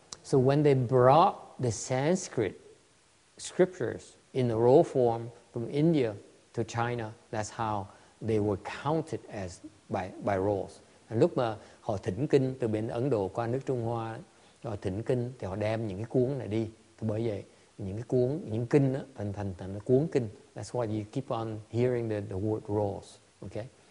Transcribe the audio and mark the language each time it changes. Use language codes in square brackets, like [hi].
[en] So when they brought the Sanskrit scriptures in the roll form from India to China, that's how they were counted as by rolls. [vi] And lúc mà họ thỉnh kinh từ bên Ấn Độ qua nước Trung Hoa, họ thỉnh kinh thì họ đem những cái cuốn này đi. Thì bởi vậy, những kinh đó, thành cuốn kinh. [en] That's why you keep on hearing the word rolls, okay?